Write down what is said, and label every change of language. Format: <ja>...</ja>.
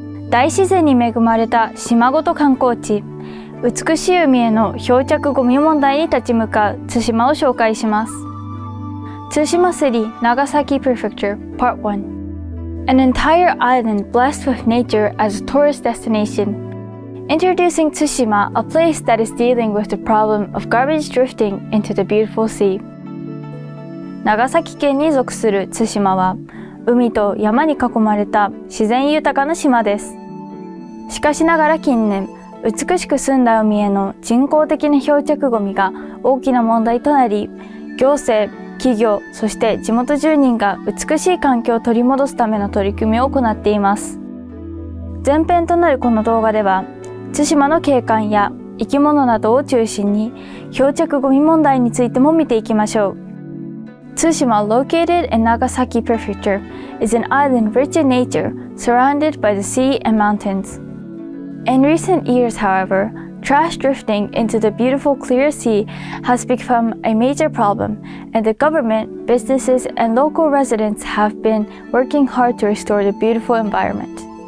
<ja>大自然に恵まれた島ごと観光地、美しい海への漂着ごみ問題に立ち向かう対馬を紹介します。</ja> <en>対馬 City, Nagasaki Prefecture, Part 1. An entire island blessed with nature as a tourist destination. Introducing Tsushima, a place that is dealing with the problem of garbage drifting into the beautiful sea.</en> <ja>長崎県に属する対馬は、海と山に囲まれた自然豊かな島です。しかしながら近年、美しく澄んだ海への人工的な漂着ごみが大きな問題となり、行政、企業、そして地元住人が美しい環境を取り戻すための取り組みを行っています。前編となるこの動画では、対馬の景観や生き物などを中心に漂着ごみ問題についても見ていきましょう。</ja> <en>対馬 located in Nagasaki Prefecture is an island rich in nature surrounded by the sea and mountains. In recent years, however,Trash drifting into the beautiful clear sea has become a major problem, and the government, businesses, and local residents have been working hard to restore the beautiful environment.</en>